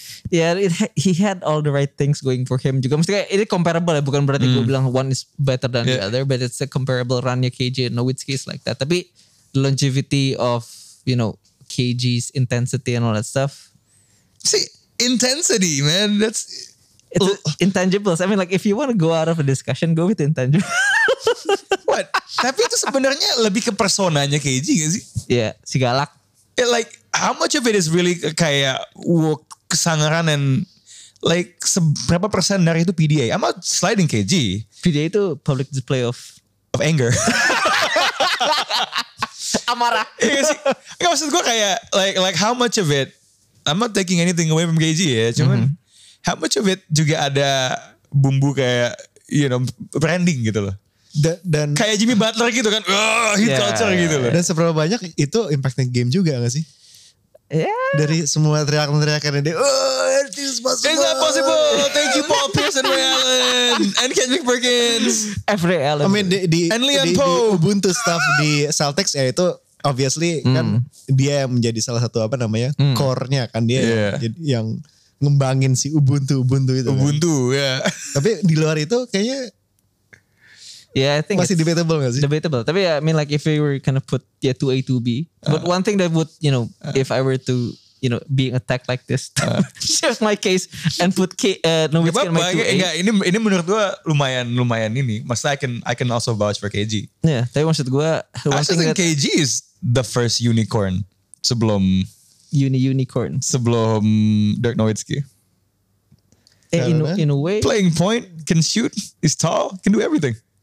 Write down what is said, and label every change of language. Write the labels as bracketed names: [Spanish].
[English] Yeah, he had all the right things going for him [Indonesian] juga. Maksudnya ini comparable ya, bukan berarti gue bilang [English] one is better than the other, but it's a comparable run ya KJ and Nowitzki is like that. [Indonesian] Tapi [English] the longevity of you know, KG's intensity and all that stuff. See, intensity, man. That's intangibles. I mean, like, if you want to go out of a discussion, go with intangibles. What? [Indonesian] Tapi itu sebenarnya lebih ke personanya KG, gak sih? Yeah, si galak. [English] It, like, how much of it is really [Indonesian] kayak kesangaran [English] and like, [Indonesian] seberapa persen dari itu [English] PDA? I'm not sliding KG. PDA itu public display of anger. [Indonesian] Amarah. Iya sih. Maksud gue kayak [English] like how much of it, I'm not taking anything away from KG [Indonesian] ya, cuman [English] how much of it [Indonesian] juga ada bumbu kayak [English] you know branding [Indonesian] gitu loh. Dan kayak Jimmy Butler gitu kan, [English] hit culture [Indonesian] gitu loh. Dan seberapa banyak itu impactnya game juga gak sih? Dari semua teriakan-teriakan ini, [English] it's not possible. Thank you Paul Pierce and Ray Allen and Kendrick Perkins. Every Allen. [Indonesian] I mean di Ubuntu staff di Celtics ya itu obviously kan dia yang menjadi salah satu apa namanya core-nya kan dia yang ngembangin si Ubuntu itu. Ubuntu kan. Tapi di luar itu kayaknya [English] I think [Indonesian] masih debatable gak sih? [English] Debatable. Tapi I mean like if we were kind of put 2A 2B. But one thing that would you know if I were to you know being attacked like this just my case and put Nowitzki in my 2A. [Indonesian] Enggak, ini menurut gue lumayan ini. Maksudnya [English] I can also vouch for KG. [Indonesian] Yeah, tapi maksud gue [English] I think KG is the first unicorn [Indonesian] sebelum [English] unicorn [Indonesian] sebelum Dirk Nowitzki. [English] In a way playing point, can shoot, is tall, can do everything.